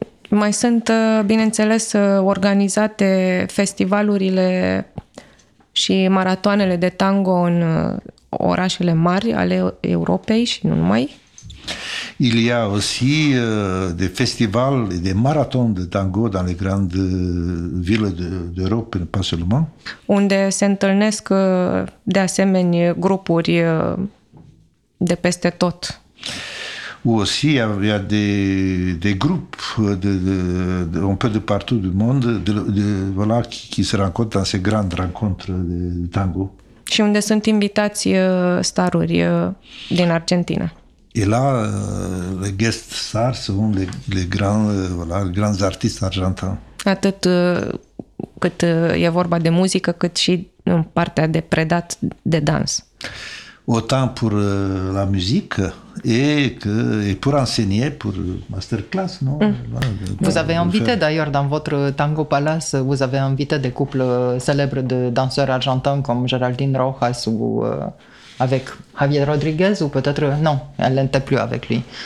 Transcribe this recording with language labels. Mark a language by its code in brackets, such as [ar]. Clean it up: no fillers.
[ro] Mai sunt, bineînțeles, organizate festivalurile și maratoanele de tango în orașele mari ale Europei și nu numai. [fr] Il y a aussi des festivals et des marathons de tango dans les grandes villes d'Europe, pas seulement. [ro] Unde se întâlnesc de asemenea grupuri de peste tot. [fr] Ou aussi il y a des groupes de un peu de partout du monde de voilà qui se rencontrent dans ces grandes rencontres de tango. [ro] Și unde sunt invitați staruri din Argentina? [fr] Et là, les guest stars sont les grands, voilà, les grands artistes argentins. [ro] Atât cât e vorba de muzică, cât și în partea de predat de dans. [fr] Autant pour la musique et pour enseigner, pour masterclass, non? Vous avez invité d'ailleurs dans votre Tango Palace, vous avez invité des couples célèbres de danseurs argentins comme Geraldine Rojas ou... avec Javier Rodriguez ou peut-être... Non, elle n'était plus avec lui.